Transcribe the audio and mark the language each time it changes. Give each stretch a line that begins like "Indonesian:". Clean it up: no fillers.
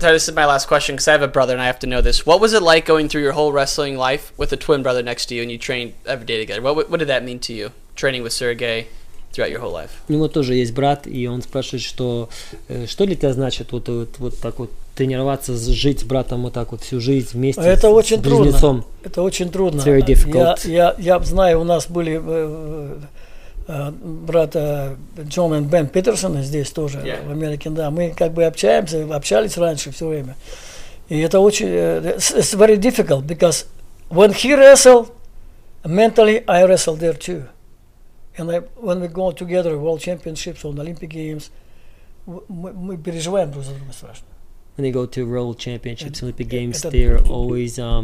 English: This is my last question because I have a brother and I have to know this. What was it like going through your whole wrestling life with a twin brother next to you and you trained every day together? What did that mean to you, training with Sergey throughout your whole life?
Russian: У него тоже есть брат, и он спрашивает, что для тебя значит вот так вот тренироваться, жить с братом вот так вот всю жизнь вместе. Это с очень близнецом. Трудно. Это очень трудно.
English: It's very difficult.
Russian: Я знаю, у нас были. Брат Джон и Бен Питерсон здесь тоже, в Америке, да. Мы как бы общались раньше все время. И это очень...
English: It's very difficult, because when he wrestled, mentally I wrestled there too. And when we go together, World Championships, on Olympic Games,
Russian: мы переживаем друг за друга страшно.
English: When they go to World Championships, Olympic Games, they're always...